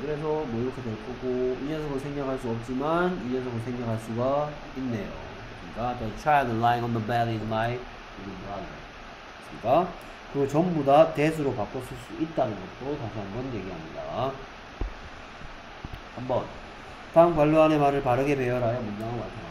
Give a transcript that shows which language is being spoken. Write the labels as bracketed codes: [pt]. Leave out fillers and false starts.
[ko] 그래서 뭐 이렇게 될 거고, 이 녀석을 생략할 수 없지만 이 녀석을 생략할 수가 있네요. 그러니까 [en] The child lying on the bed is my little brother. [ko] 맞습니까? 그거 전부 다 대수로 바꿔 쓸수 있다는 것도 다시 한번 얘기합니다. 한번 다음 관로 안의 말을 바르게 배열하여 문장을